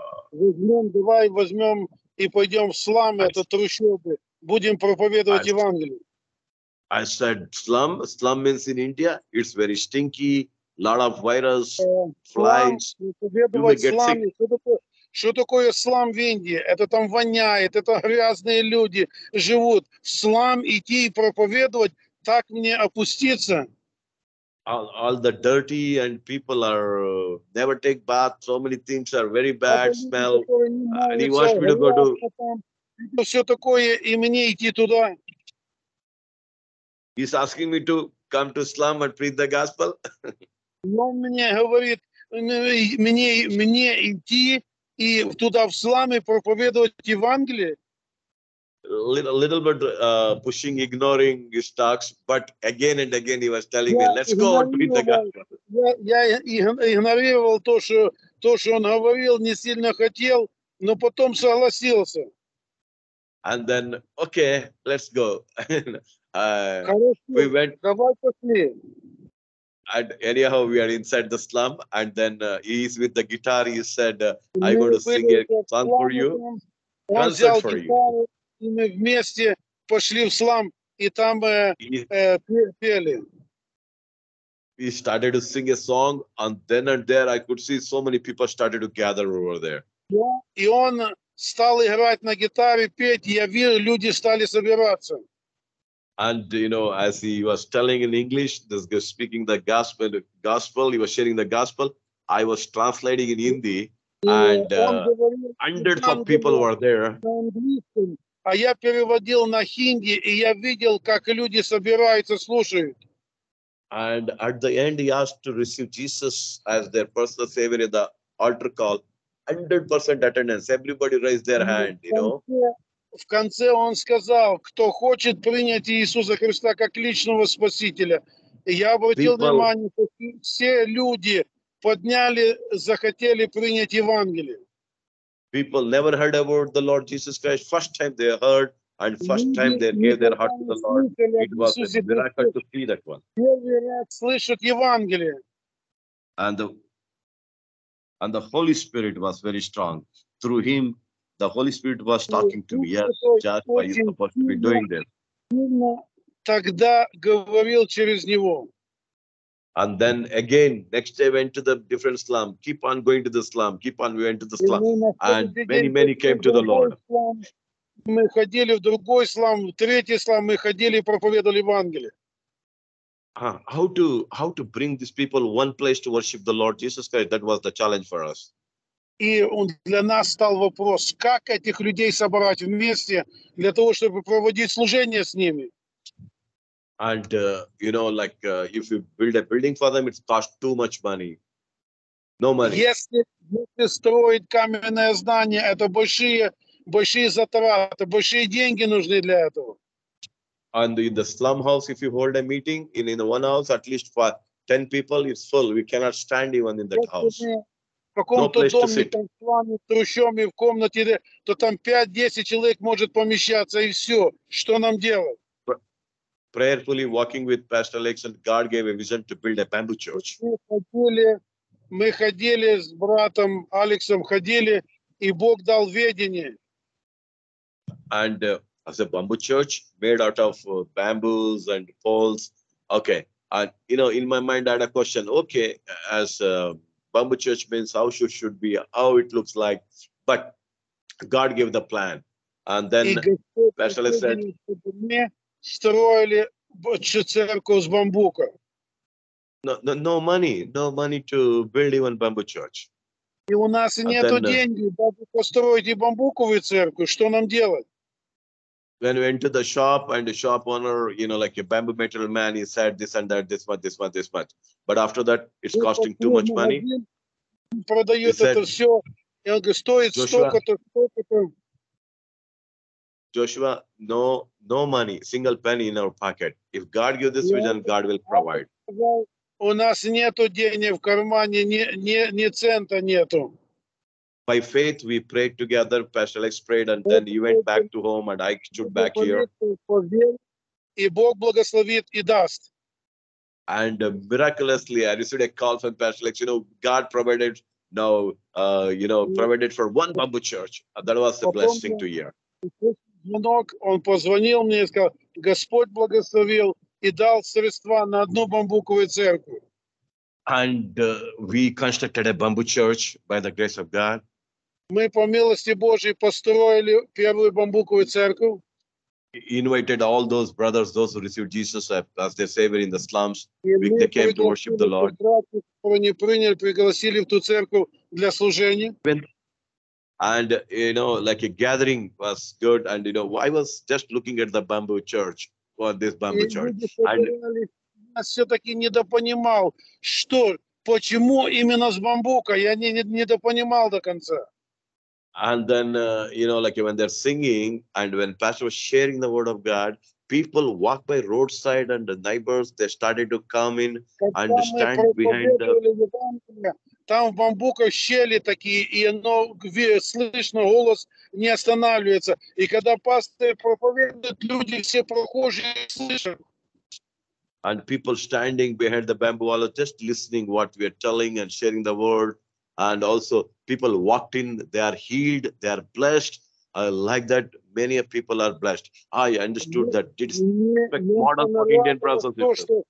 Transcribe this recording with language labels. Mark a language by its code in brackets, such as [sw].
[ru] давай возьмем и пойдем в сламы, это трущобы, будем проповедовать Евангелие. [en] I said, slum. Slum means in India, it's very stinky, lot of virus, flies, you may get sick. [ru] Что такое слам в Индии? Это там воняет, это грязные люди живут. Слам идти и проповедовать, так мне опуститься? [en] All the dirty and people are never take bath. So many things are very bad smell. And he wants me to go to. [ru] Что такое и мне идти туда? [en] He's asking me to come to slum and preach the gospel. [ru] Он мне говорит, мне идти и туда в сламе проповедовать Евангелие. [en] Little bit pushing, ignoring his talks, but again and again he was telling me, "Let's go and preach the gospel." [ru] Я игнорировал то, что он говорил, не сильно хотел, но потом согласился. [en] And then, okay, let's go. [ru] Хорошо, [en] we went. [ru] Давай пошли. [en] And anyhow, we are inside the slum, and then he is with the guitar. He said, "I'm going to sing a song for you, concert for you." [ru] И мы вместе пошли в слам, и там пели. [en] We started to sing a song, and then and there I could see so many people started to gather over there. [ru] И он стал играть на гитаре, петь, и я видел, люди стали собираться. [en] And you know, as he was telling in English, this guy speaking the gospel, he was sharing the gospel, I was translating in Hindi, and hundreds of people were there. [ru] А я переводил на хинди, и я видел, как люди собираются, слушают. [en] And at the end, he asked to receive Jesus as their personal savior in the altar call. 100% attendance. Everybody raised their hand, you know. [ru] В конце он сказал, кто хочет принять Иисуса Христа как личного спасителя. И я обратил внимание, что все люди подняли, захотели принять Евангелие. [en] People never heard about the Lord Jesus Christ. First time they heard, and first time they gave their heart to the Lord. It was a miracle to see that one. [ru] Слышат Евангелие. [en] And the Holy Spirit was very strong. Through him, the Holy Spirit was talking to me. Yes, just why you're supposed to be doing this. [ru] Тогда говорил через него. [en] And then again, next day went to the different slum. Keep on going to the slum. Keep on going to the slum. And many came to the Lord. [ru] Мы ходили в другой слам, в третий слам. Мы ходили и проповедовали Евангелие. [en] How to bring these people one place to worship the Lord Jesus Christ? That was the challenge for us. [ru] И для нас стал вопрос, как этих людей собрать вместе для того, чтобы проводить служение с ними. [en] And you know, like if you build a building for them, it costs too much money. No money. [ru] Если строить каменное здание, это большие затраты, большие деньги нужны для этого. [en] And in the slum house, if you hold a meeting in one house, at least for 10 people, it's full. We cannot stand even in that house. No place to sit. [ru] Там в трущобе, в комнате, то там 5-10 человек может помещаться и все. Что нам делать? [en] Prayerfully walking with Pastor Alex, and God gave a vision to build a bamboo church. [ru] Мы ходили с братом Алексом, ходили, и Бог дал ведение. [en] And as a bamboo church made out of bamboos and poles, okay. And you know, in my mind, I had a question. Okay, as a bamboo church means, how should be, how it looks like. But God gave the plan, and then Pastor Alex said. [ru] Строили церковь с бамбука. [en] No money to build even bamboo church. [ru] И у нас нету денег, чтобы построить и бамбуковую церковь. Что нам делать? [en] When we entered the shop, and the shop owner, you know, like a bamboo material man, he said this and that, this much. But after that, it's costing too much money. [ru] Продают это все. И он говорит, стоит столько-то. [en] Joshua, no money, single penny in our pocket. If God gives this vision, God will provide. [ru] У нас нету денег в кармане, ни цента нету. [en] By faith, we prayed together, Pastor Alex prayed, and then he went back to home, and I stood back here. [ru] И Бог благословит и даст. [en] And miraculously, I received a call from Pastor Alex. You know, God provided, provided for one bamboo church. That was a blessing to hear. [ru] Он позвонил мне и сказал, Господь благословил и дал средства на одну бамбуковую церковь. [en] And we constructed a bamboo church by the grace of God. [ru] Мы по милости Божьей построили первую бамбуковую церковь. [en] Invited all those brothers, those who received Jesus as their savior in the slums, they came to worship the Lord. [ru] Они пригласили в ту церковь для служения. [en] And you know, like a gathering was good, and you know, I was just looking at the bamboo church for this bamboo church. And [ru] я все-таки недопонимал, что почему именно с бамбука. Я не недопонимал до конца. [en] And then, you know, like when they're singing and when Pastor was sharing the word of God, people walk by roadside and the neighbors, they started to come in and stand behind them. [ru] Там в бамбуках щели такие, и оно слышно, голос не останавливается. И когда пастор проповедует, люди все прохожие слышат. [en] And people standing behind the bamboo wall, just listening what we are telling and sharing the word. And also people walked in, they are healed, they are blessed. I like that many of people are blessed. I understood that it's a model for Indian brothers.